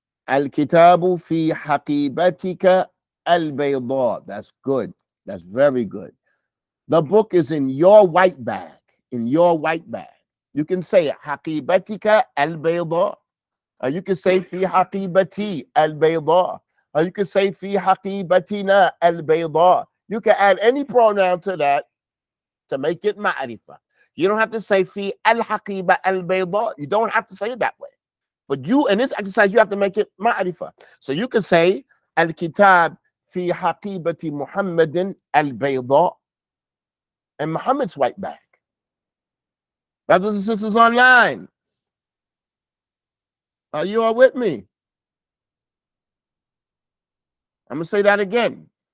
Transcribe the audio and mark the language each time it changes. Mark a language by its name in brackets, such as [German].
[Arabic] الكتاب في حقيبتك البيضاء. [English] That's good. That's very good. The book is in your white bag. In your white bag. You can say [Arabic] حقيبتك البيضاء. [English] Or you can say [Arabic] في حقيبتي البيضاء. [English] Or you can say [Arabic] في حقيبتنا البيضاء. [English] You can add any pronoun to that to make it معرفة. You don't have to say [Arabic] في الحقيبة البيضاء. [English] You don't have to say it that way. But you, in this exercise, you have to make it معرفة. So you can say [Arabic] الكتاب في حقيبة محمد البيضاء. [English] And Muhammad's white bag. Brothers and sisters online, are you all with me? I'm going to say that again.